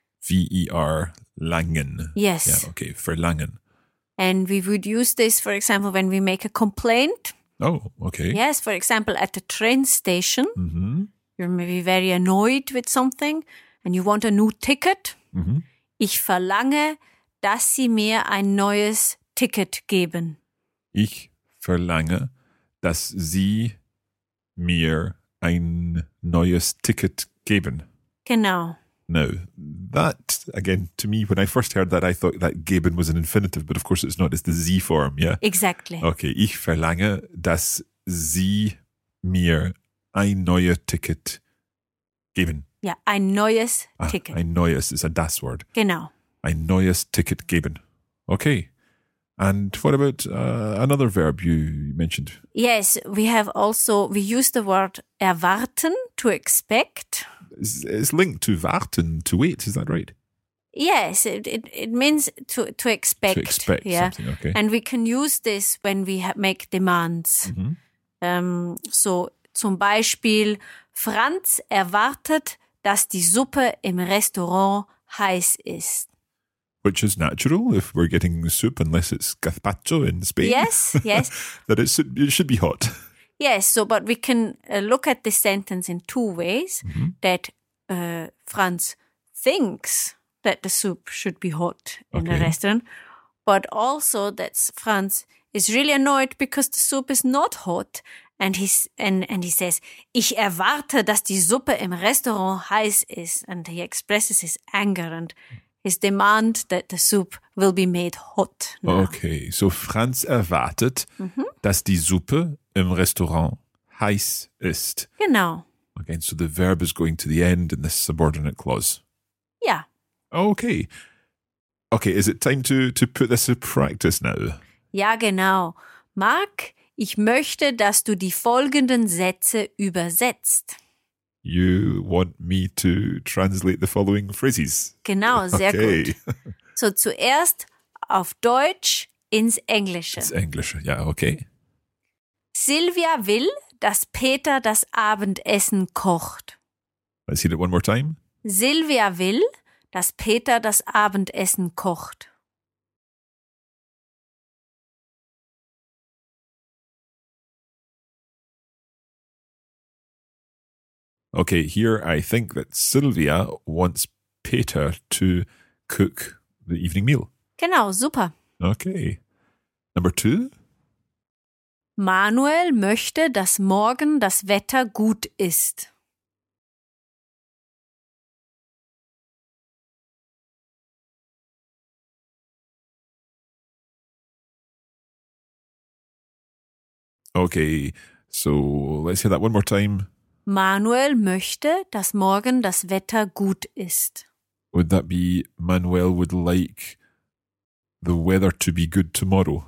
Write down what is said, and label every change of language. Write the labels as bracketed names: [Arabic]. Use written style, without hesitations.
[German] V-E-R-langen. [English] Yes. Yeah, okay, verlangen. And we would use this, for example, when we make a complaint. Oh, okay. Yes, for example, at the train station, You're maybe very annoyed with something and you want a new ticket. Mm-hmm. [German] Ich verlange, dass Sie mir ein neues Ticket geben. Ich verlange, dass Sie mir ein neues Ticket geben. Genau. [English] Now, that, again, to me, when I first heard that, I thought that geben was an infinitive, but of course it's not. It's the Z form, yeah? Exactly. [German] Okay, ich verlange, dass Sie mir ein neues Ticket geben. Yeah, ein neues Ticket. [English] Ein neues is a das word. [German] Genau. Ein neues Ticket geben. [English] Okay. And what about another verb you mentioned? Yes, we have also, we use the word erwarten, to expect. It's linked to warten, to wait, is that right? Yes, it means to expect. To expect, yeah? Something, okay. And we can use this when we make demands. Mm-hmm. [German] So zum Beispiel, Franz erwartet, dass die Suppe im Restaurant heiß ist. [English] Which is natural if we're getting soup, unless it's gazpacho in Spain. Yes, yes. That it should be hot. Yes, so but we can look at this sentence in two ways. Mm-hmm. That Franz thinks that the soup should be hot in the restaurant. But also that Franz is really annoyed because the soup is not hot. And he says, [German] ich erwarte, dass die Suppe im Restaurant heiß ist. [English] And he expresses his anger and his demand that the soup will be made hot now. [German] Okay, so Franz erwartet, dass die Suppe im Restaurant heiß ist. Genau. [English] Okay, so the verb is going to the end in this subordinate clause. Yeah. Okay. Okay, is it time to put this in practice now? [German] Ja, genau. Mark, ich möchte, dass du die folgenden Sätze übersetzt. [English] You want me to translate the following phrases? [German] Genau, sehr [English] okay. [German] Gut. So zuerst auf Deutsch ins Englische. Ins Englische, ja, okay. Silvia will, dass Peter das Abendessen kocht. [English] I see that one more time. [German] Silvia will, dass Peter das Abendessen kocht. [English] Okay, here I think that Silvia wants Peter to cook the evening meal. [German] Genau, super. [English] Okay. Number two. [German] Manuel möchte, dass morgen das Wetter gut ist. [English] Okay, so let's hear that one more time. [German] Manuel möchte, dass morgen das Wetter gut ist. [English] Would that be Manuel would like the weather to be good tomorrow?